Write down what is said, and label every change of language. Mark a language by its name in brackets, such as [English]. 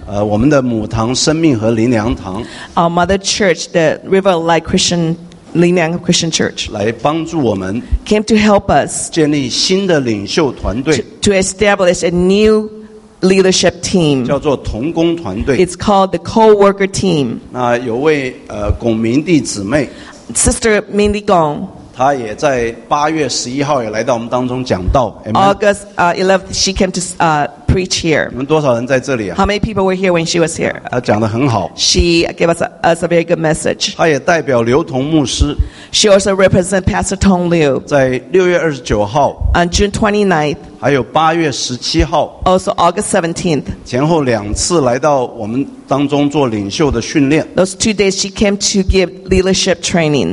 [Chinese] 我们的母堂生命和灵粮堂。 [English] Our mother church, the River of Light Christian. Linang Christian Church [Chinese] 来帮助我们 [English] came to help us [Chinese] 建立新的领袖团队 [English] to establish a new leadership team [Chinese] 叫做同工团队 [English] It's called the co-worker team [Chinese] 那有位龚明弟姊妹 [English] Sister Mindy Gong [Chinese] 她也在8月11号也来到我们当中讲道 [English] August 11th she came to preach here [Chinese] 你们多少人在这里啊 [English] How many people were here when she was here? [Chinese] 她讲得很好 [English] She gave us a very good message [Chinese] 她也代表刘同牧师 [English] She also represents Pastor Tong Liu [Chinese] 在6月29号 [English] On June 29th [Chinese] 还有8月17号 [English] Also August 17th [Chinese] 前后两次来到我们当中做领袖的训练 [English] Those 2 days she came to give leadership training